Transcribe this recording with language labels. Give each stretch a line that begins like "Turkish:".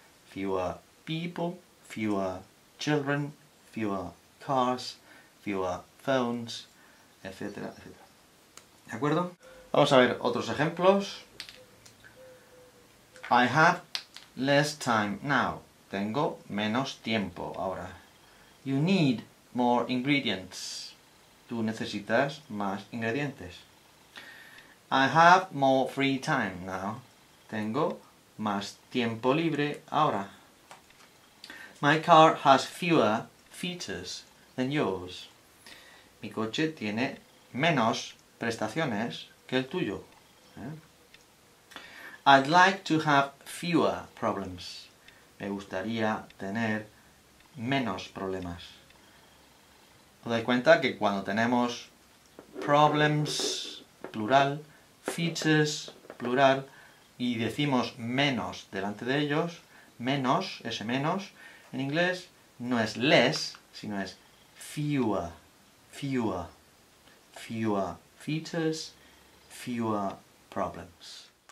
English: Fewer people, fewer children, fewer cars, fewer phones,
Spanish: etcétera, etcétera. ¿De acuerdo? Vamos a ver otros ejemplos.
English: I have less time now.
Spanish: Tengo menos tiempo ahora.
English: You need more ingredients.
Spanish: Tú necesitas más ingredientes.
English: I have more free time now.
Spanish: Tengo más tiempo libre ahora.
English: My car has fewer features than yours.
Spanish: Mi coche tiene menos prestaciones que el tuyo.
English: I'd like to have fewer problems.
Spanish: Me gustaría tener menos problemas. ¿Os dais cuenta que cuando tenemos problems, plural, features, plural, y decimos menos delante de ellos, menos, ese menos, en inglés, no es less, sino es
English: fewer, fewer, fewer features, fewer problems.